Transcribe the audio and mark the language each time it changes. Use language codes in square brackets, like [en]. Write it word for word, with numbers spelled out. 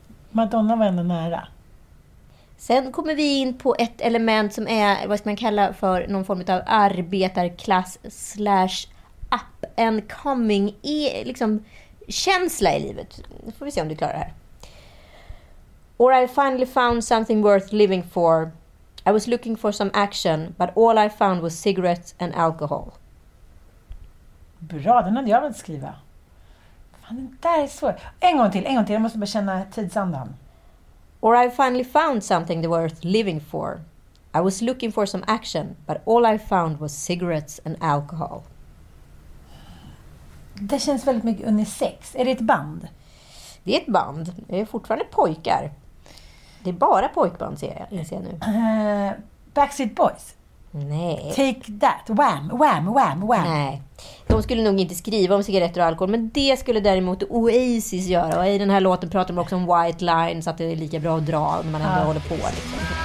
[sv] Madonna var ändå nära. Sen kommer vi in på ett element som är, vad ska man kalla för, någon form av arbetarklass slash [en] up and coming [sv] e- liksom känsla i livet. Nu får vi se om du klarar det här. [en] Or I finally found something worth living for. I was looking for some action, but all I found was cigarettes and alcohol. [sv] Bra, den hade jag väl skriva. Fan, den där är svår. En gång till, en gång till. Jag måste bara känna tidsandan. [en] Or I finally found something worth living for. I was looking for some action, but all I found was cigarettes and alcohol. [sv] Det känns väldigt mycket unisex. Är det ett band? Det är ett band. Det är fortfarande pojkar. Det är bara pojkband, ser jag, jag ser nu. Uh, Backstreet Boys? Nej. Take That, Wham, Wham, Wham, Wham. Nej. De skulle nog inte skriva om cigaretter och alkohol, men det skulle däremot Oasis göra. Och i den här låten pratar man också om white line, så att det är lika bra att dra när man ändå ja. håller på. Liksom.